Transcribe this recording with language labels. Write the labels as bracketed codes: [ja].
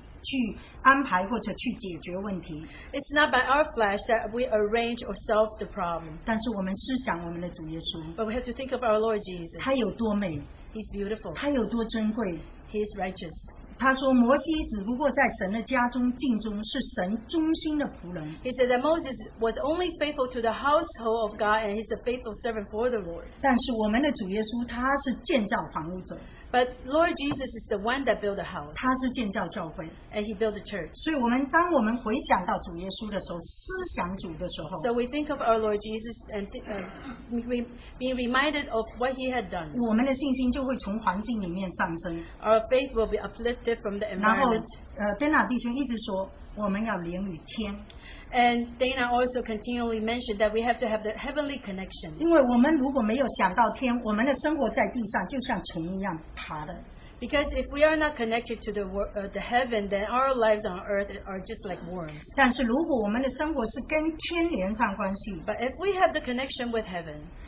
[zh] 不是用我们的肉体去安排或者去解决问题。 [en] It's not by our flesh that we arrange or solve the problem. [zh] 但是我们思想我们的主耶稣, [en] but we have to think of our Lord Jesus. [zh] 他有多美, [en] He's beautiful. [zh] 他有多尊贵, [en] He's righteous. [zh] 他说摩西只不过在神的家中尽忠，是神忠心的仆人。 [en] He said that Moses was only faithful to the household of God, and he's a faithful servant for the Lord. [zh] 但是我们的主耶稣他是建造房屋者。 [en] But Lord Jesus is the one that built the house. [zh] 他是建造教会, [en] and he built the church. [zh] 所以我们当我们回想到主耶稣的时候，思想主的时候, [en] so we think of our Lord Jesus and being reminded of what he had done. [zh] 我们的信心就会从环境里面上升, [en] our faith will be uplifted from the environment. [zh] 然后Dana弟兄一直说, 我们要连与天。 [en] And Dana also continually mentioned that we have to have the heavenly connection. [zh] 因为我们如果没有想到天, 我们的生活在地上就像虫一样爬了。 [en] Because if we are not connected to the heaven, then our lives on earth are just like worms. [zh] 但是如果我们的生活是跟天连上关系, [en] but if we have the connection with heaven,